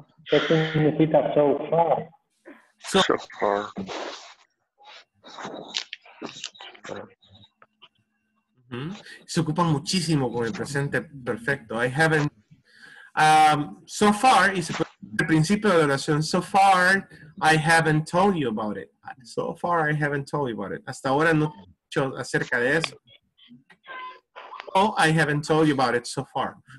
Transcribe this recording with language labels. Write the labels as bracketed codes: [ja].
[es] ¿Qué significa so far? [en] So far. [es] Se ocupa muchísimo con el presente perfecto. [en] I haven't. [es] So far, y se pone al principio de la oración. [en] So far, I haven't told you about it. So far, I haven't told you about it. [es] Hasta ahora no he dicho acerca de eso. [en] Oh, I haven't told you about it so far.